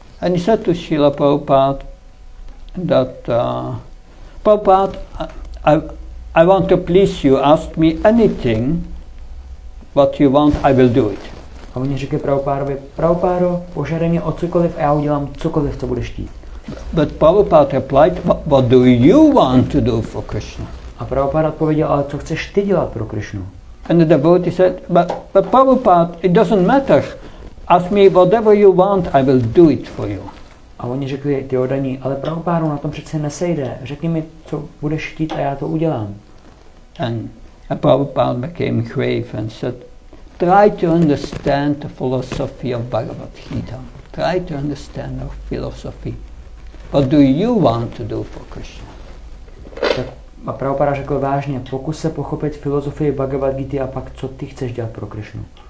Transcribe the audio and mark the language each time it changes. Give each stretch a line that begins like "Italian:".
English: And he said to Srila Prabhupada that Prabhupada, I want to please you, ask me anything what you want, I will do it.
Czech: A on říká Prabhupádovi, Prabhupádo, požádej mě o cokoliv a já udělám cokoliv, co budeš chtít.
English: But Prabhupada replied, what do you want to do for Krishna?
Czech: A Prabhupada odpověděl, ale co chceš ty dělat pro Krishnu?
English: And the devotee said, but Prabhupada, it doesn't matter. Ask me whatever you want, I will do it for you.
Czech: A oni řekli, ty odaní, ale Prabhupada, na tom přece nesejde. Řekni mi, co budeš chtít a já to udělám.
English: And Prabhupada became grave and said, try to understand the philosophy of Bhagavad Gita. Try to understand our philosophy. What do you want to do for Krishna?
Czech: Tak a Prabhupada řekl vážně, pokus se pochopit filozofii Bhagavad Gita a pak co ty chceš dělat pro Krishnu.